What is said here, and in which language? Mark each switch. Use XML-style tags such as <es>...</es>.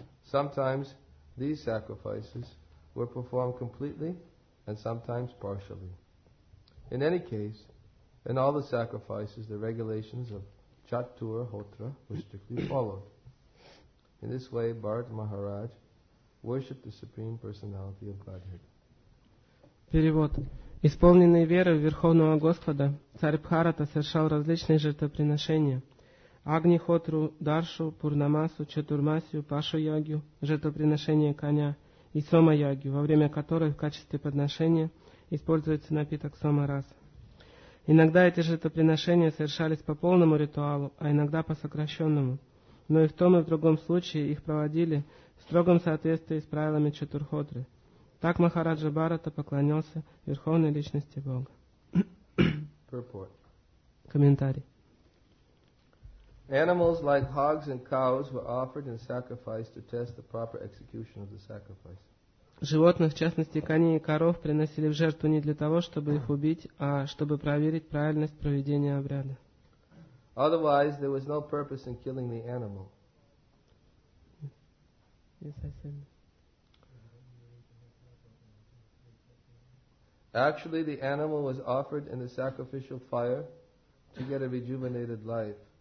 <en>Sometimes these sacrifices were performed completely and sometimes partially. In any case, in all the sacrifices, the regulations of Chatur Hotra were strictly followed. In this way, Bharata Maharaj worshipped the Supreme Personality of Godhead.</en> <ru>Перевод. Исполненный верой в Верховного Господа, царь Бхарата совершал различные жертвоприношения. Агнихотру, Даршу, Пурнамасу, Чатурмасию, Пашу-Ягью, жертвоприношение коня и Сома-Ягью, во время которой в качестве подношения используется напиток Сома-Рас. Иногда эти жертвоприношения совершались по полному ритуалу, а иногда по сокращенному. Но и в том, и в другом случае их проводили в строгом соответствии с правилами Чатурхотры. Так Махараджа Бхарата поклонился Верховной Личности Бога.</ru> <en>Purport.</en> <ru>Комментарий.</ru> <en>Animals like hogs and cows were offered in sacrifice to test the proper execution of the sacrifice.</en> <ru>Животных, в частности коней и коров, приносили в жертву не для того, чтобы их убить, а чтобы проверить правильность проведения обряда.</ru> <en>Otherwise, there was no purpose in killing the animal. Yes, I said. Actually, the animal was offered in the sacrificial fire to get a rejuvenated life.</en>